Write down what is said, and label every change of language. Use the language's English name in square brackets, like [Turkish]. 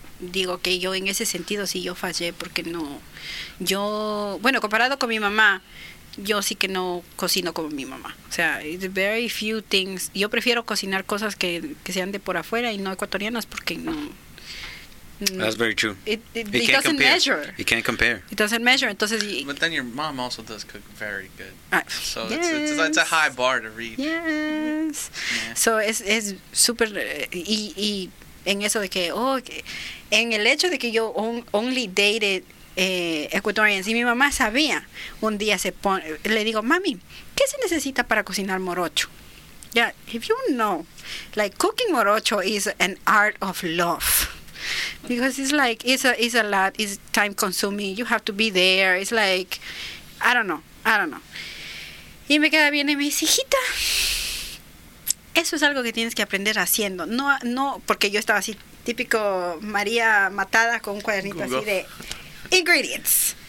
[Spanish] Digo que yo en ese sentido sí yo fallé, porque no, yo, bueno, comparado con mi mamá, yo sí que no cocino como mi mamá. O sea, it's very few things. Yo prefiero cocinar cosas que sean de por afuera y no ecuatorianas, porque no. [English] That's very true. It doesn't compare. Measure. You can't compare. It doesn't measure. Entonces, but then your mom also does cook very good. So yes. It's a high bar to reach. Yes. Yeah. [Spanish] So es super, y en eso de que, oh, en el hecho de que yo only dated Ecuadorians, y mi mamá sabía, un día le digo, mami, ¿qué se necesita para cocinar morocho? [English] Yeah, if you know, like, cooking morocho is an art of love. Because it's like, it's a lot, it's time consuming, you have to be there, it's like, I don't know. [Spanish] Y me queda bien y me dice, hijita, eso es algo que tienes que aprender haciendo. No, porque yo estaba así, típico María matada con un cuadernito Google. Así de ingredients.